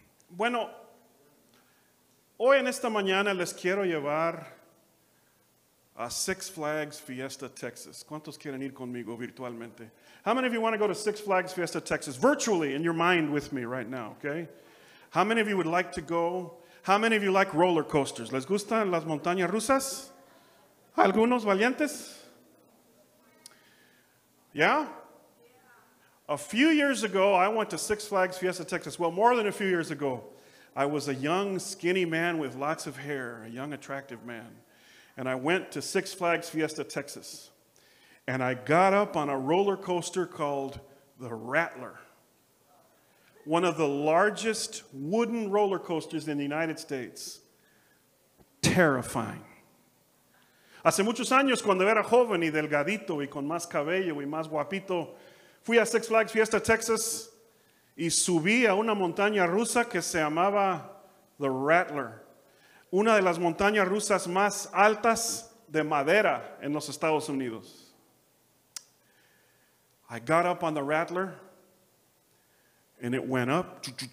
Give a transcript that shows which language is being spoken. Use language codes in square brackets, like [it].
[es] Bueno, hoy en esta mañana les quiero llevar a Six Flags Fiesta, Texas. ¿Cuántos quieren ir conmigo virtualmente? [en] How many of you want to go to Six Flags Fiesta, Texas? Virtually, in your mind with me right now, okay? How many of you would like to go? How many of you like roller coasters? [es] ¿Les gustan las montañas rusas? ¿Algunos valientes? [en] Yeah? A few years ago, I went to Six Flags Fiesta, Texas. Well, more than a few years ago, I was a young, skinny man with lots of hair, a young, attractive man. And I went to Six Flags Fiesta, Texas. And I got up on a roller coaster called the Rattler, one of the largest wooden roller coasters in the United States. Terrifying. [es] Hace muchos años, cuando era joven y delgadito y con más cabello y más guapito, fui a Six Flags Fiesta, Texas, y subí a una montaña rusa que se llamaba The Rattler, una de las montañas rusas más altas de madera en los Estados Unidos. [en] I got up on the Rattler, and it went up,